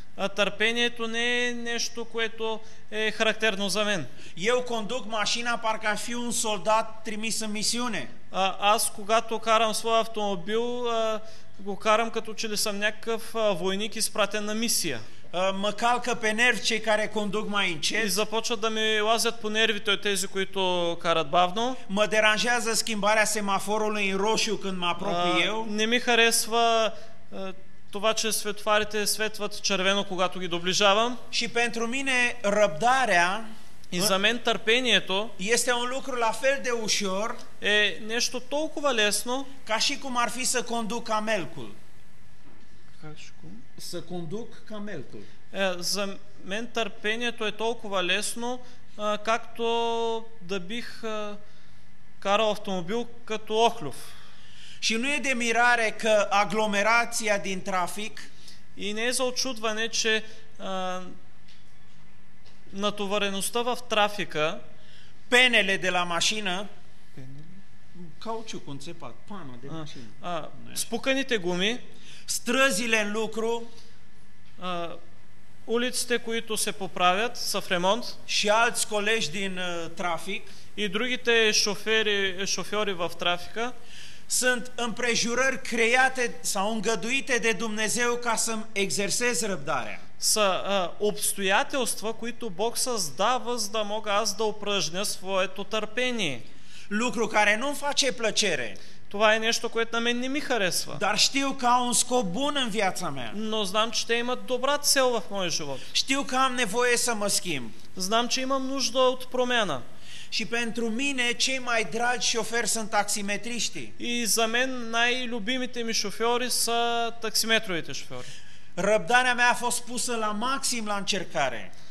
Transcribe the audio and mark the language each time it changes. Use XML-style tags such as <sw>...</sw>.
<bg>А търпението не е нещо, което е характерно за мен.</bg> <ro>Eu conduc mașina parcă ar fi un soldat trimis în misiune.</ro> <bg>Аз когато карам своя автомобил, го карам като че ли съм някакъв войник изпратен на мисия.</bg> <ro>Mă calcă pe nervi cei care conduc mai încet.</ro> <bg>И започват да ми лазят по нервите тези, които карат бавно.</bg> <ro>Mă deranjează schimbarea semaforului în roșu când mă apropii eu.</ro> <bg>Не ми харесва това, че светофарите светват червено, когато ги доближавам.</bg> <ro>Și pentru mine răbdarea,</ro> <bg>и за мен търпението,</bg> <ro>este un lucru la fel de ușor,</ro> <bg>е нещо толкова лесно,</bg> <ro>ca și cum ar fi să conduc camelul. Să conduc camelul.</ro> <bg>За мен търпението е толкова лесно, както да бих карал автомобил като охлюв.</bg> <ro>Și nu e de mirare că aglomerația din trafic,</ro> <bg>и не е за очудване, че натовареността в трафика,</bg> <ro>пенеле de la mașină, cauciuc înțepat, pană de mașină,</ro> <bg>спуканите гуми,</bg> <ro>străzile în lucru,</ro> <bg>улиците, които се поправят, са в ремонт,</bg> <ro>și alți colegi din trafic,</ro> <bg>и другите шофьори в трафика,</bg> <ro>sunt împrejurări create sau îngăduite de Dumnezeu ca să-mi exersez răbdarea.</ro> <bg>Са обстоятелства, които Бог създава, за да мога аз да упражня своето търпение.</bg> <ro>Lucru care nu-mi face plăcere.</ro> <bg>Това е нещо, което на мен не ми харесва.</bg> <ro>Dar știu că au un scop bun în viața mea.</ro> <bg>Но знам, че те имат добра цел в моя живот.</bg> <ro>Știu că am nevoie să mă schimb.</ro> <bg>Знам, че имам нужда от промяна.</bg> <ro>Și pentru mine cei mai dragi șoferi sunt taximetriștii.</ro> <bg>И за мен най-любимите ми шофьори са таксиметровите шофьори.</bg> <ro>Răbdarea mea a fost pusă la maxim la încercare.</ro>